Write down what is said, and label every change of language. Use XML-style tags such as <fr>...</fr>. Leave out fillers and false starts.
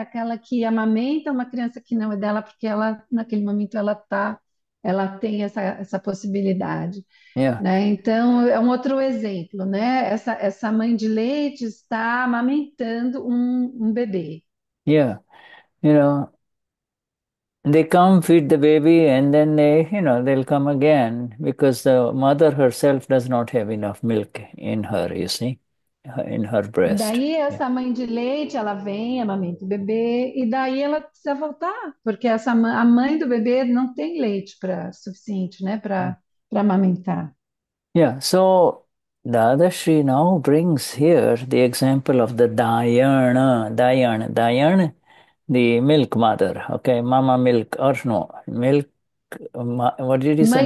<pt>Aquela que amamenta uma criança que não é dela, porque ela naquele momento ela tem essa possibilidade. Né? Então, é um outro exemplo, né? Essa mãe de leite está amamentando um bebê.</pt> <en>You know, they come feed the baby and then they, you know, they'll come again because the mother herself does not have enough milk in her, you see, in her breast.</en> <pt>Daí essa mãe de leite, ela vem, amamenta o bebê, e daí ela precisa voltar, porque a mãe do bebê não tem leite suficiente, né, para amamentar.</pt> <en>So Dadashri now brings here the example of the Dayana, the milk mother, okay, mama milk, or no, milk, what did you say,</en>